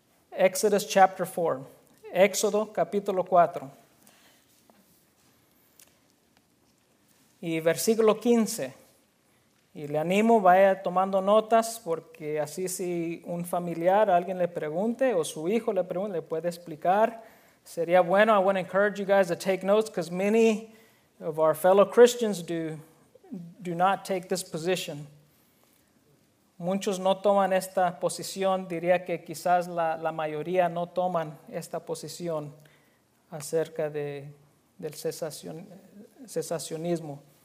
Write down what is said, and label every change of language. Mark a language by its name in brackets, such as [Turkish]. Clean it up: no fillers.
[English] Exodus chapter 4, [Spanish] Éxodo capítulo 4, y versículo 15, Y le animo, vaya tomando notas, porque así si un familiar, alguien le pregunte, o su hijo le pregunte, le puede explicar. Sería bueno, [English] I want to encourage you guys to take notes, because many of our fellow Christians do not take this position. [Spanish] Muchos no toman esta posición, diría que quizás la mayoría no toman esta posición acerca del cesacionismo.